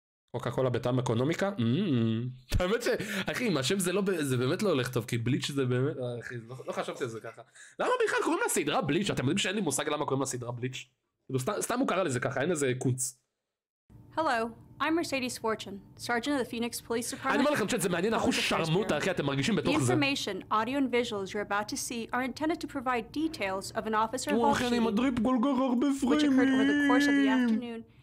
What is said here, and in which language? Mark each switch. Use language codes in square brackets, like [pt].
[he] קוקה קולה בטעם אקונומיקה? האמת ש... אחי, עם השם זה לא... זה באמת לא הולך טוב, כי בליץ' זה באמת... אחי, לא חשבתי על זה ככה. למה בכלל קוראים לסדרה בליץ'? אתם יודעים שאין לי מושג למה קוראים לסדרה בליץ'? סתם הוא קרא לזה ככה, אין איזה קונץ. [en] Hello, I'm Mercedes Fortune, Sergeant of the Phoenix Police Department. [he] אני אומר לכם, שאת זה מעניין, אנחנו שרמות, אחי, אתם מרגישים בתוך זה. [en] The information, audio and visuals you're about to see are intended to provide details of an officer involved shooting, which occurred over the course of the afternoon.